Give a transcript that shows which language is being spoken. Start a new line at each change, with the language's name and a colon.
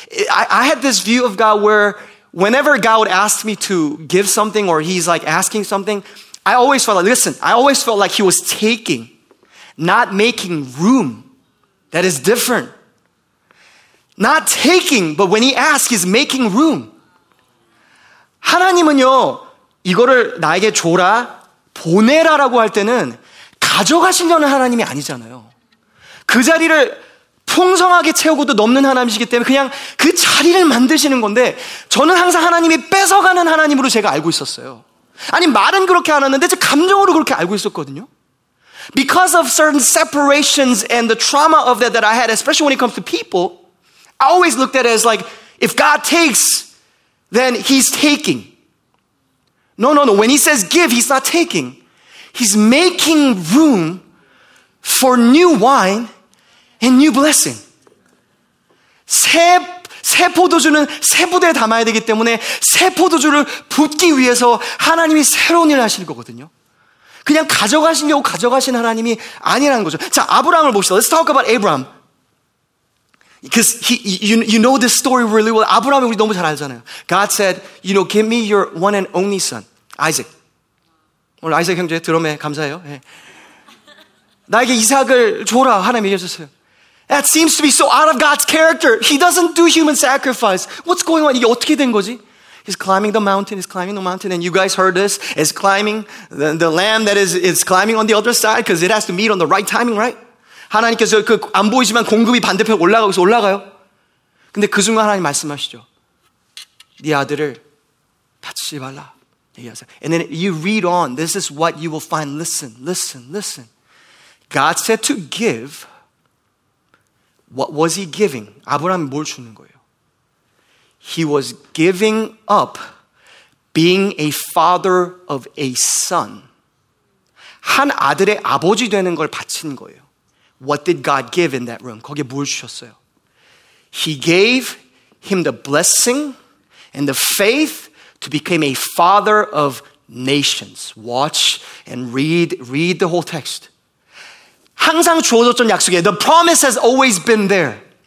English: I had this view of God where whenever God would ask me to give something or he's like asking something, I always felt like, listen, I always felt like he was taking, not making room that is different. Not taking, but when he asks, he's making room.
Korean: 하나님은요, 이거를 나에게 줘라, 보내라라고 할 때는 가져가시려는 하나님이 아니잖아요. 그 자리를 풍성하게 채우고도 넘는 하나님이시기 때문에 그냥 그 자리를 만드시는 건데 저는 항상 하나님이 뺏어가는 하나님으로 제가 알고 있었어요. 아니 말은 그렇게 안 하는데 제 감정으로 그렇게 알고 있었거든요.
English: Because of certain separations and the trauma of that I had, especially when it comes to people, I always looked at it as like, if God takes, then he's taking. No, no, no. When he says give, he's not taking. He's making room for new wine and new blessing.
Korean: 새 포도주는 새 부대에 담아야 되기 때문에 새 포도주를 붓기 위해서 하나님이 새로운 일을 하실 거거든요. 그냥 가져가시려고 가져가신 하나님이 아니라는 거죠. 자, 아브라함을 봅시다.
English: Let's talk about Abraham. Because you know this story really well.
Korean: 아브라함이 우리 너무 잘 알잖아요.
English: God said, you know, give me your one and only son. Isaac.
Korean: 오늘 아이삭 형제 드럼에 감사해요. 네. 나에게 이삭을 줘라. 하나님 얘기하셨어요.
English: That seems to be so out of God's character. He doesn't do human sacrifice. What's going on?
Korean: 이게 어떻게 된 거지?
English: He's climbing the mountain. He's climbing the mountain. And you guys heard this. It's climbing. The lamb that is climbing on the other side because it has to meet on the right timing, right?
Korean: 하나님께서 그 안 보이지만 공급이 반대편 올라가고 있어 올라가요. 근데 그 순간 하나님 말씀하시죠. 네 아들을 다치지 말라.
English: And then you read on. This is what you will find. Listen, listen, listen. God said to give. What was he giving?
Korean: 아브라함이 뭘 주는 거예요?
English: He was giving up being a father of a son.
Korean: 한 아들의 아버지 되는 걸 바친 거예요.
English: What did God give in that room?
Korean: 거기에 뭘 주셨어요?
English: He gave him the blessing and the faith to become a father of nations. Watch and read the whole text.
Korean: 항상 주어졌던 약속에
English: the promise has always been there.